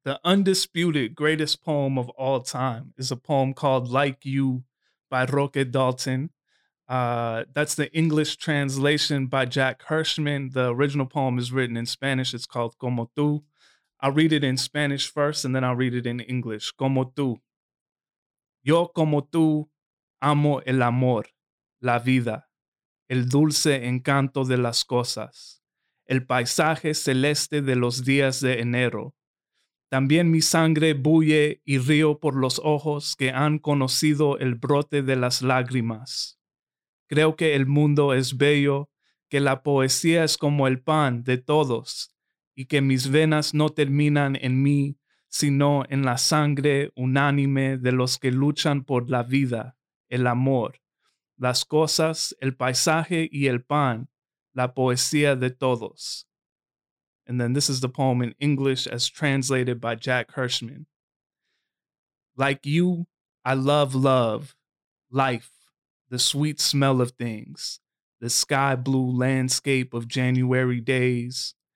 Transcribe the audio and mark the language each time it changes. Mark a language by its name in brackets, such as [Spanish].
[English] The undisputed greatest poem of all time is a poem called Like You by Roque Dalton. That's the English translation by Jack Hirschman. The original poem is written in Spanish. It's called Como Tú. I'll read it in Spanish first, and then I'll read it in English. [Spanish] Como tú. Yo como tú amo el amor, la vida, el dulce encanto de las cosas, el paisaje celeste de los días de enero. También mi sangre bulle y río por los ojos que han conocido el brote de las lágrimas. Creo que el mundo es bello, que la poesía es como el pan de todos, y que mis venas no terminan en mí, sino en la sangre unánime de los que luchan por la vida, el amor, las cosas, el paisaje y el pan, la poesía de todos. [English] And then this is the poem in English as translated by Jack Hirschman. Like you, I love love, life, the sweet smell of things, the sky blue landscape of January days.